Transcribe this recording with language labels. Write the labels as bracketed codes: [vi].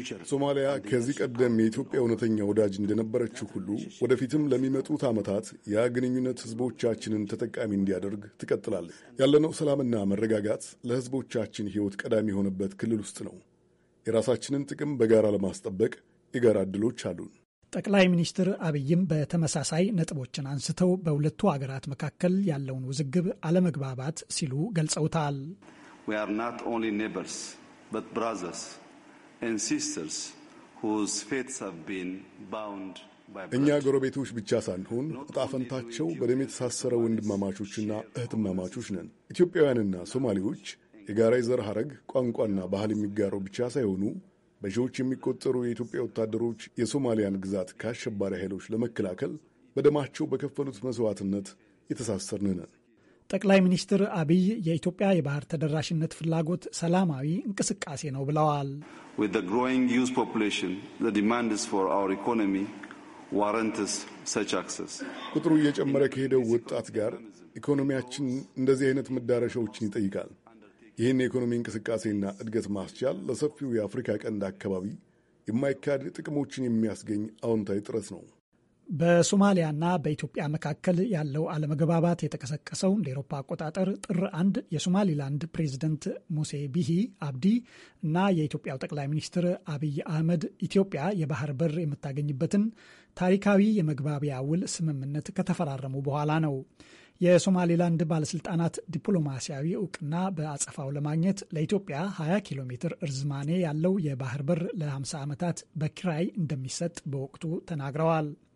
[am] ሶማሊያ ከዚህ ቀደም የኢትዮጵያ ወነተኛ ወዳጅ እንደነበረችው ሁሉ ወደፊትም ለሚመጡት አመታት ያ ግንኙነት ህዝቦቻችንን ተጠቃሚ እንዲያደርግ ትቀጥላለች። ያለነው ሰላምና መረጋጋት ለህዝቦቻችን ህይወት ቀዳሚ የሆነበት ክልል ውስጥ ነው። የራሳችንን ጥቅም በጋራ ለማስጠበቅ የጋራ ድሎች አሉን። ጠቅላይ ሚኒስትር አብይም በተመሳሳይ ነጥቦችን አንስተው በሁለቱ አገራት መካከል ያለውን ውዝግብ አለመግባባት ሲሉ ገልጸውታል። [en] We are not only neighbors but brothers. And sisters whose fates have been bound by blood. [am] እኛ ጎረቤቶች ብቻ ሳንሆን ጣፈንታቸው በደም የተሳሰረ ወንድማማቾችና እህትማማቾች ነን። ኢትዮጵያውያንና ሶማሌዎች የጋራ የዘር ሐረግ፣ ቋንቋና ባህል የሚጋሩ ብቻ ሳይሆኑ በሺዎች የሚቆጠሩ የኢትዮጵያ ወታደሮች የሶማሊያን ግዛት ከአሸባሪ ኃይሎች ለመከላከል በደማቸው በከፈሉት መስዋዕትነት የተሳሰርን ነን። ጠቅላይ ሚኒስትር አብይ የኢትዮጵያ የባህር ተደራሽነት ፍላጎት ሰላማዊ እንቅስቃሴ ነው ብለዋል። [en] With the growing youth population, the demands for our economy warrants such access. [am] ቁጥሩ እየጨመረ ከሄደው ወጣት ጋር ኢኮኖሚያችን እንደዚህ አይነት መዳረሻዎችን ይጠይቃል። ይህን የኢኮኖሚ እንቅስቃሴና እድገት ማስቻል ለሰፊው የአፍሪካ ቀንድ አካባቢ የማይካድ ጥቅሞችን የሚያስገኝ አዎንታዊ ጥረት ነው። በሶማሊያና በኢትዮጵያ መካከል ያለው አለመግባባት የተከሰከሰው እንደ አውሮፓ አቆጣጠር ጥር 1 የሶማሊላንድ ፕሬዝደንት ሙሴ ቢሂ አብዲ እና የኢትዮጵያው ጠቅላይ ሚኒስትር አብይ አህመድ ኢትዮጵያ የባህር በር የምታገኝበትን ታሪካዊ የመግባቢያ ውል ስምምነት ከተፈራረሙ በኋላ ነው። የሶማሊላንድ ባለስልጣናት ዲፕሎማሲያዊ ዕውቅና በአጸፋው ለማግኘት ለኢትዮጵያ 20 ኪሎ ሜትር እርዝማኔ ያለው የባህር በር ለ50 ዓመታት በክራይ እንደሚሰጥ በወቅቱ ተናግረዋል።